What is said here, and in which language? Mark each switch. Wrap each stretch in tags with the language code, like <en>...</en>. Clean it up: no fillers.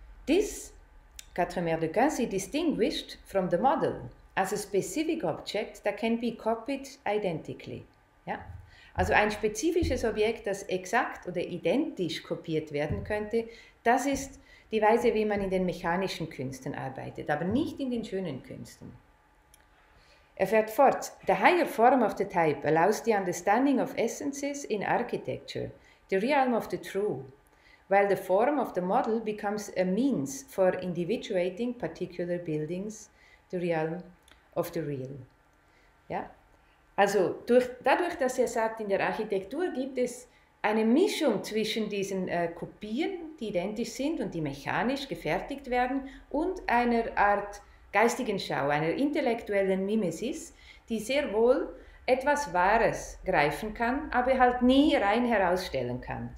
<en>This, Quatremer de Quincy distinguished from the model as a specific object that can be copied identically.</en> <de>Ja? Also ein spezifisches Objekt, das exakt oder identisch kopiert werden könnte, das ist die Weise, wie man in den mechanischen Künsten arbeitet, aber nicht in den schönen Künsten. Er fährt fort,</de> <en>the higher form of the type allows the understanding of essences in architecture, the realm of the true, while the form of the model becomes a means for individuating particular buildings, the realm of the real.</en> <de>Ja? Also dadurch, dass er sagt, in der Architektur gibt es eine Mischung zwischen diesen Kopien, die identisch sind und die mechanisch gefertigt werden, und einer Art geistigen Schau, einer intellektuellen Mimesis, die sehr wohl etwas Wahres greifen kann, aber halt nie rein herausstellen kann.</de>